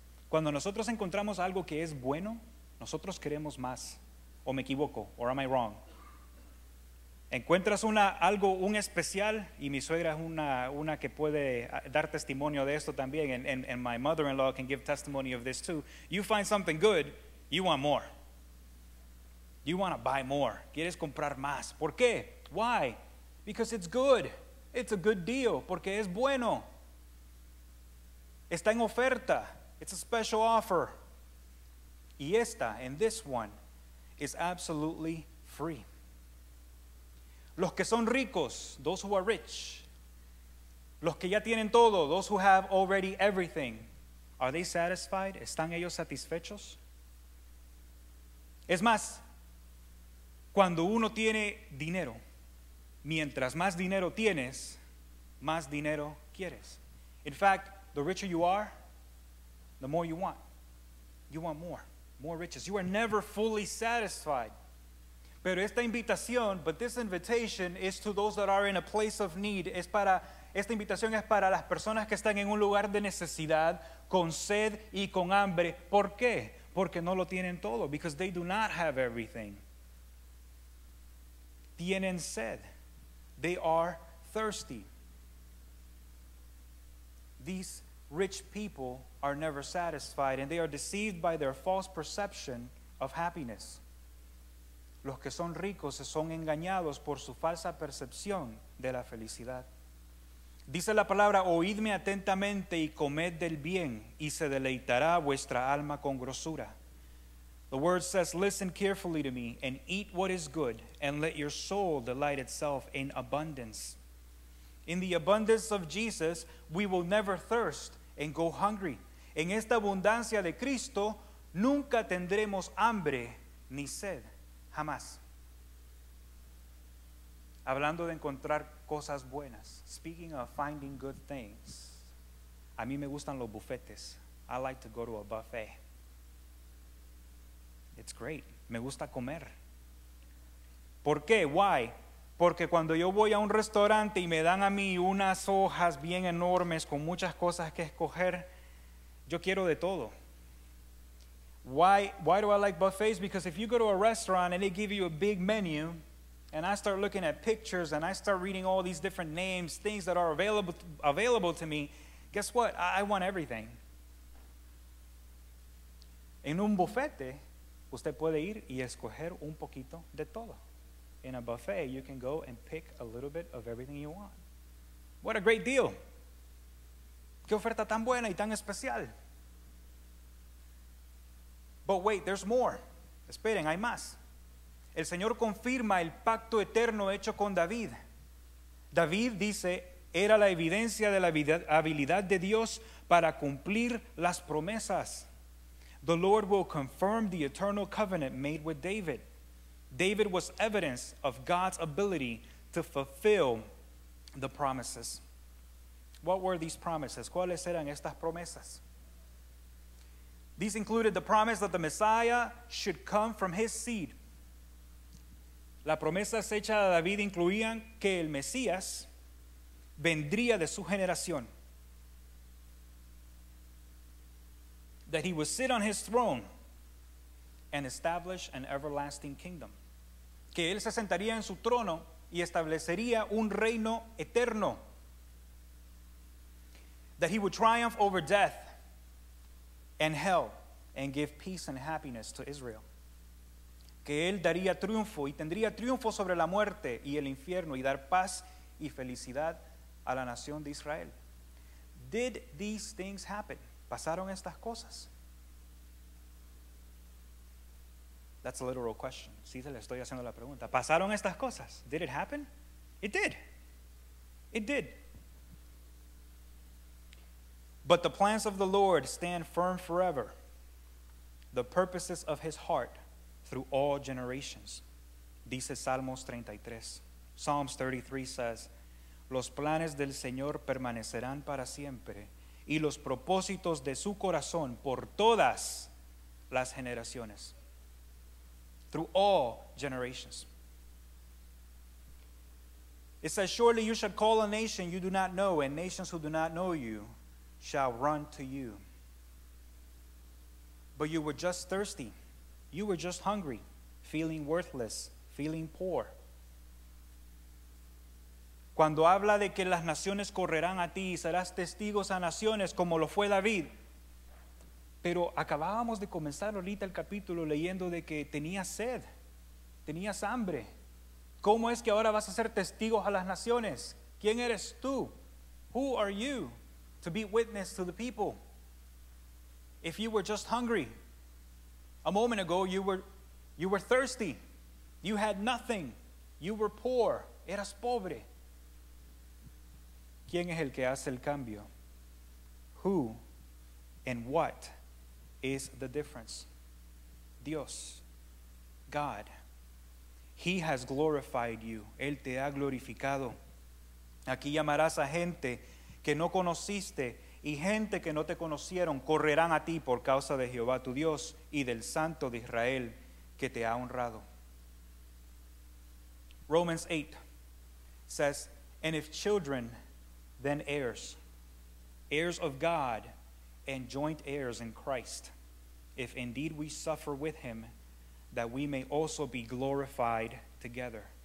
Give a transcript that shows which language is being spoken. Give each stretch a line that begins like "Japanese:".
Spanish: Cuando nosotros encontramos algo que es bueno, nosotros queremos más. O me equivoco,
English: or am I wrong?
Spanish: Encuentras un especial, y mi suegra es una que puede dar testimonio de esto también,
English: and my mother-in-law can give testimony of this too. You find something good, you want more. You want to buy more.
Spanish: Quieres comprar más. ¿Por qué?
English: Why? Because it's good. It's a good deal.
Spanish: Porque es bueno. Está en oferta.
English: It's a special offer.
Spanish: Y esta,
English: and this one, is absolutely free.
Spanish: Los que son ricos,
English: those who are rich.
Spanish: Los que ya tienen todo,
English: those who have already everything. Are they satisfied?
Spanish: ¿Están ellos satisfechos? Es más, cuando uno tiene dinero, mientras más dinero tienes, más dinero quieres.
English: In fact, the richer you are, the more you want. You want more, more riches. You are never fully satisfied.
Spanish: Pero esta invitación,
English: but this invitation is to those that are in a place of need.
Spanish: Esta invitación es para las personas que están en un lugar de necesidad, con sed y con hambre. ¿Por qué? Porque no lo tienen todo.
English: Because they do not have everything.
Spanish: Tienen sed.
English: They are thirsty. These rich people are never satisfied, and they are deceived by their false perception of happiness.
Spanish: Los que son ricos son engañados por su falsa percepción de la felicidad. Dice la palabra, oídme atentamente y comed del bien, y se deleitará vuestra alma con grosura.
English: The word says, listen carefully to me and eat what is good, and let your soul delight itself in abundance. In the abundance of Jesus, we will never thirst and go hungry.
Spanish: En esta abundancia de Cristo, nunca tendremos hambre ni sed, jamás. Hablando de encontrar cosas buenas,
English: speaking of finding good things,
Spanish: a mí me gustan los bufetes.
English: I like to go to a buffet. It's great.
Spanish: Me gusta comer. ¿Por qué?
English: Why?
Spanish: Porque cuando yo voy a un restaurante y me dan a mí unas hojas bien enormes con muchas cosas que escoger, yo quiero de todo.
English: Why do I like buffets? Because if you go to a restaurant and they give you a big menu, and I start looking at pictures and I start reading all these different names, things that are available to me, guess what? I want everything.
Spanish: En un bufete, usted puede ir y escoger un poquito de todo.
English: In a buffet, you can go and pick a little bit of everything you want. What a great deal.
Spanish: Qué oferta tan buena y tan especial.
English: But wait, there's more.
Spanish: Esperen, hay más. El Señor confirma el pacto eterno hecho con David. David, dice, era la evidencia de la habilidad de Dios para cumplir las promesas.
English: The Lord will confirm the eternal covenant made with David. David was evidence of God's ability to fulfill the promises. What were these promises?
Spanish: ¿Cuáles eran estas promesas?
English: These included the promise that the Messiah should come from his seed.
Spanish: Las promesas hechas a David incluían que el Mesías vendría de su generación.
English: That he would sit on his throne and establish an everlasting kingdom.
Spanish: Que él se sentaría en su trono y establecería un reino eterno.
English: That he would triumph over death and hell and give peace and happiness to Israel.
Spanish: que él daría triunfo y tendría triunfo sobre la muerte y el infierno y dar paz y felicidad a la nación de Israel.
English: Did these things happen?
Spanish: ¿Pasaron estas cosas?
English: That's a literal question.
Spanish: Sí, se le estoy haciendo la pregunta. ¿Pasaron estas cosas?
English: Did it happen? It did. It did. But the plans of the Lord stand firm forever. The purposes of his heart through all generations.
Spanish: Dice Salmos 33.
English: Psalms 33 says,
Spanish: los planes del Señor permanecerán para siempre y los propósitos de su corazón por todas las generaciones.
English: Through all generations. It says, surely you shall call a nation you do not know, and nations who do not know you shall run to you. But you were just thirsty. You were just hungry, feeling worthless, feeling poor.
Spanish: Cuando habla de que las naciones correrán a ti y serás testigos a naciones como lo fue David. Pero acabábamos de comenzar ahorita el capítulo leyendo de que tenías sed, tenías hambre. ¿Cómo es que ahora vas a ser testigos a las naciones? ¿Quién eres tú?
English: Who are you to be witness to the people? If you were just hungry, a moment ago you were thirsty, you had nothing, you were poor,
Spanish: eras pobre. ¿Quién es el que hace el cambio?
English: Who and what is the difference? Dios, God, he has glorified you.
Spanish: Él te ha glorificado. Aquí llamarás a gente que no conociste y gente que no te conocieron correrán a ti por causa de Jehová tu Dios y del Santo de Israel que te ha honrado.
English: Romans 8 says, and if children, then heirs, heirs of God and joint heirs in Christ, if indeed we suffer with him, that we may also be glorified together.